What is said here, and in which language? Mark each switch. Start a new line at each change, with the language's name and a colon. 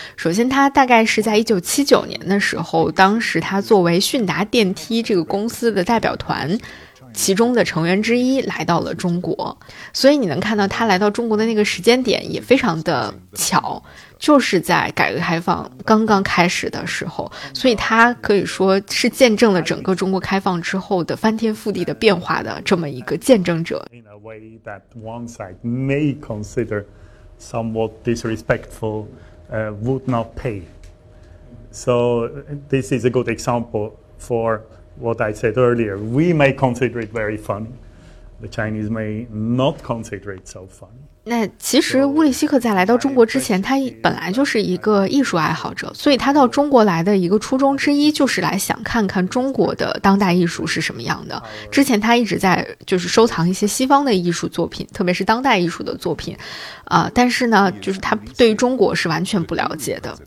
Chinese: 首先他大概是在1979年的时候，当时他作为迅达电梯这个公司的代表团其中的成员之一来到了中国，所以你能看到他来到中国的那个时间点也非常的巧，就是在改革开放刚刚开始的时候，所以他可以说是见证了整个中国开放之后的翻天覆地的变化的这么一个见证者。
English: In a way that one side may consider somewhat disrespectful, would not pay. So this is a good example for what I said earlier. We may consider it very funny. The Chinese may not consider it so funny.
Chinese: 那其实乌利希克在来到中国之前，他本来就是一个艺术爱好者，所以他到中国来的一个初衷之一就是来想看看中国的当代艺术是什么样的。之前他一直在就是收藏一些西方的艺术作品，特别是当代艺术的作品，但是呢，就是他对于中国是完全不了解的。